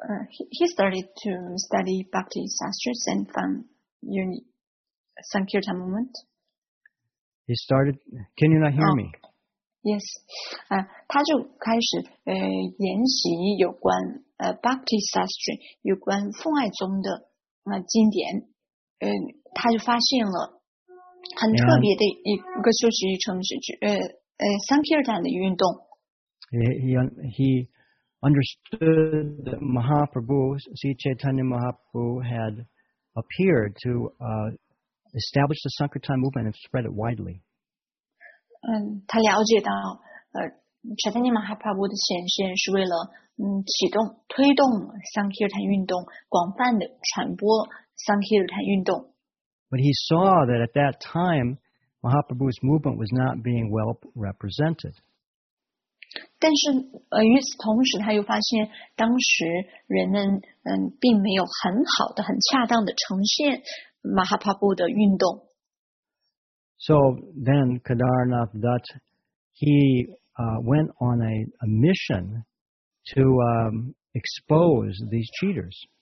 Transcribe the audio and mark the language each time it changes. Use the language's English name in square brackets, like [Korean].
[English] He started to study Bhakti Shastras and found Sankirtan movement. He started. Can you not hear me? Yes. [Chinese] 他就开始研习有关Bhakti Shastra 有关奉爱宗的经典。他就发现了很特别的一个修习程序，Sankirtan 的运动。 [English] He understood that Mahaprabhu, Sri Chaitanya Mahaprabhu, had appeared to establish the Sankirtan movement and spread it widely. [Chinese] 他了解到 Chaitanya Mahaprabhu 的显现是为了启动推动 Sankirtan 运动广泛的传播 Sankirtan 运动。 [English] But he saw that at that time, Mahaprabhu's movement was not being well represented. [Chinese] 但是与此同时他又发现当时人们并没有很好的很恰当的呈现 Mahaprabhu 的运动。 [English] So then Kedarnath Dutt, he went on a mission to expose these cheaters.